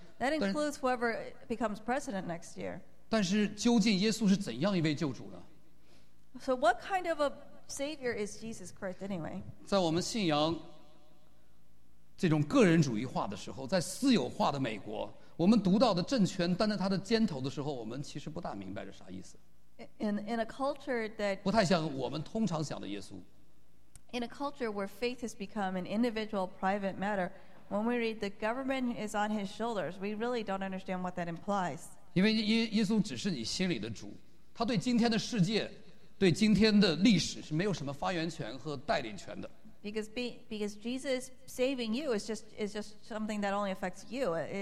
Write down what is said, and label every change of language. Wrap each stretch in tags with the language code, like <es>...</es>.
<en>That includes whoever becomes president next year.</en> <zh>但是究竟耶稣是怎样一位救主呢？</zh> <en>So what kind of a savior is Jesus Christ anyway?</en> <zh>在我们信仰这种个人主义化的时候，在私有化的美国，我们读到的政权担在他的肩头的时候，我们其实不大明白是啥意思。</zh> <en>In a culture that</en> <zh>不太像我们通常想的耶稣。</zh> <en>In a culture where faith has become an individual private matter, when we read the government is on his shoulders, we really don't understand what that implies.</en> <zh>因为耶稣只是你心里的主，他对今天的世界，对今天的历史是没有什么发言权和带领权的。</zh> <en>Because Jesus saving you is just something that only affects you.</en>